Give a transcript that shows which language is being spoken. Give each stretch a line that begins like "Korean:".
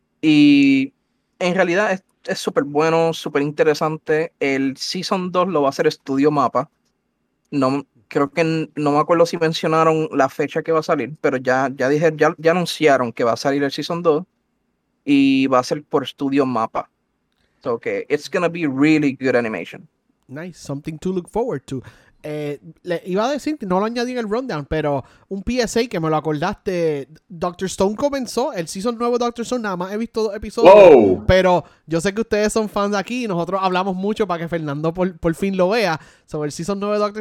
Spanish: Y en realidad es súper bueno, súper interesante. El Season 2 lo va a hacer Studio MAPPA. No me acuerdo si mencionaron la fecha que va a salir, pero ya anunciaron que va a salir el Season 2 y va a ser por Studio MAPPA.
English: So que okay, it's gonna be really good animation. Nice, something to look forward to.
Spanish: Le iba a decir, no lo añadí en el rundown, pero un PSA que me lo acordaste, Dr. Stone comenzó el season nuevo de Dr. Stone, nada más he visto dos episodios. Whoa. Pero yo sé que ustedes son fans aquí y nosotros hablamos mucho para que Fernando por fin lo vea. Sobre el season 9 de Dr.